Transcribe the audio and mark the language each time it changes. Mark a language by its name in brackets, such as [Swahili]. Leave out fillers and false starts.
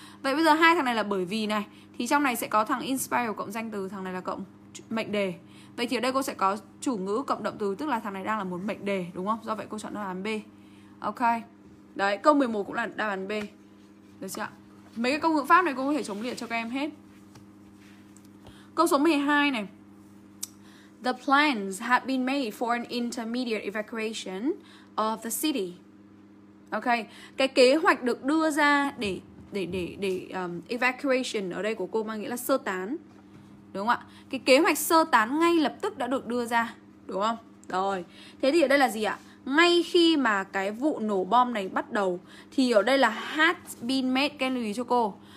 [Vietnamese] Vậy bây giờ hai thằng này là bởi vì này, thì trong này sẽ có thằng inspire cộng danh từ, thằng này là cộng mệnh đề. Vậy thì ở đây cô sẽ có chủ ngữ cộng động từ, tức là thằng này đang là một mệnh đề, đúng không? Do vậy cô chọn đáp án B. Ok. Đấy, câu 11 cũng là đáp án B. Được chưa? Mấy cái câu ngữ pháp này cô có thể chống liệt cho các em hết. Câu số 12 này. [English] The plans had been made for an intermediate evacuation of the city. [Vietnamese] Ok, cái kế hoạch được đưa ra để evacuation ở đây của cô mang nghĩa là sơ tán. Đúng không ạ? Cái kế hoạch sơ tán ngay lập tức đã được đưa ra. Đúng không? Rồi, thế thì ở đây là gì ạ? Ngay khi mà cái vụ nổ bom này bắt đầu thì ở đây là [English] had been made, [Vietnamese] cái lưu ý cho cô.